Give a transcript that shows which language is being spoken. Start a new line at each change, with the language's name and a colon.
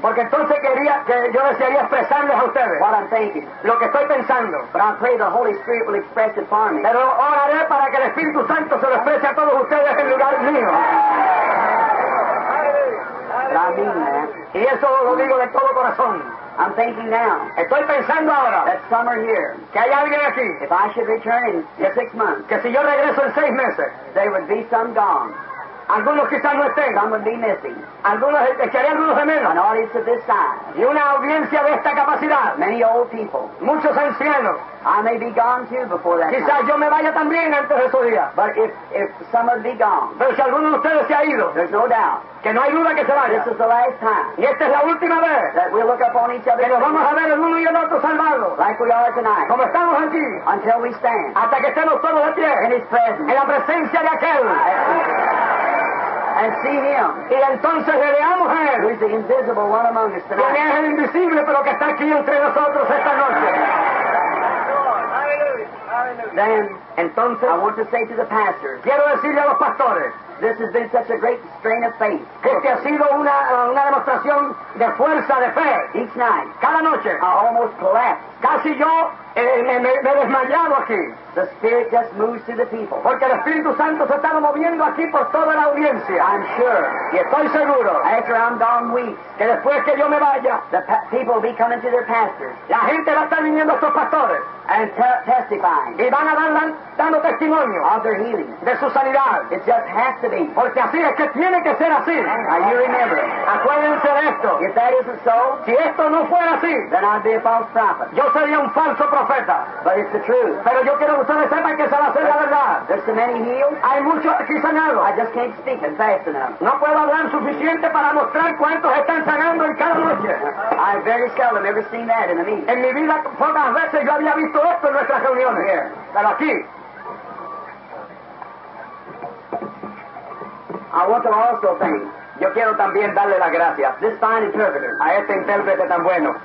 Spanish: Porque entonces quería que yo desearía expresarles a ustedes.
English: What I'm thinking.
Spanish: Lo que estoy pensando.
English: But I pray the Holy Spirit will express it for me.
Spanish: Pero oraré para que el Espíritu Santo se lo exprese a todos ustedes en lugar mío.
English: Amen.
Spanish: Y eso lo digo de todo corazón.
English: I'm thinking now.
Spanish: Estoy pensando ahora.
English: That summer here.
Spanish: Que hay alguien aquí.
English: If I should return in six months.
Spanish: Que si yo regreso en seis meses.
English: There would be some gone.
Spanish: Algunos quizás no estén.
English: Some would be missing.
Spanish: Algunos echarían algunos de menos.
English: An audience of this size.
Spanish: Y una audiencia de esta capacidad.
English: Many old people.
Spanish: Muchos ancianos.
English: I may be gone too before that.
Spanish: Quizás yo me vaya también antes de su día.
English: But if some would be gone.
Spanish: Pero si alguno de ustedes se ha ido.
English: There's no doubt.
Spanish: Que no hay duda que se vaya.
English: This is the last time.
Spanish: Y esta es la última vez.
English: That we look upon each other.
Spanish: Que nos vamos a ver el uno y el otro salvados.
English: Like we are tonight.
Spanish: Como estamos aquí.
English: Until we stand.
Spanish: Hasta que estemos todos de pie.
English: In his presence.
Spanish: En la presencia de aquel.
English: And see him.
Spanish: Y entonces le veamos a él.
English: Who is the invisible one among us tonight.
Spanish: Quien es el invisible pero que está aquí entre nosotros esta noche.
English: Then,
Spanish: entonces,
English: I want to say to the pastors,
Spanish: quiero decirle a los pastores,
English: this has been such a great strain of faith.
Spanish: Este ha sido una demostración de fuerza, de fe.
English: Each night,
Spanish: cada noche,
English: I almost collapsed.
Spanish: Casi yo me he desmayado aquí.
English: The Spirit just moves to the people.
Spanish: Porque el Espíritu Santo se estaba moviendo aquí por toda la audiencia.
English: I'm sure.
Spanish: Y estoy seguro.
English: After I'm gone weeks.
Spanish: Que después que yo me vaya.
English: The people will be coming to their pastors.
Spanish: La gente va a estar viniendo a estos pastores.
English: And testifying.
Spanish: Y van a dando testimonio.
English: Of their healing.
Spanish: De su sanidad.
English: It just has to be.
Spanish: Porque así es que tiene que ser así.
English: Now you remember.
Spanish: Acuérdense de esto.
English: If that isn't so.
Spanish: Si esto no fuera así.
English: Then I'd be a false prophet.
Spanish: Yo sería un falso profeta.
English: But it's the truth.
Spanish: Pero yo quiero que ustedes sepan que se va a hacer la verdad.
English: There's so many healed.
Spanish: Hay muchos aquí sanados.
English: I just can't speak and fast enough.
Spanish: No puedo hablar suficiente para mostrar cuántos están sanando en cada noche.
English: I very seldom ever seen that in a meeting.
Spanish: En mi vida pocas veces yo había visto esto en nuestras reuniones.
English: Here.
Spanish: Pero aquí.
English: I want to also thank.
Spanish: Yo quiero también darle las gracias.
English: This fine interpreter.
Spanish: A este intérprete tan bueno.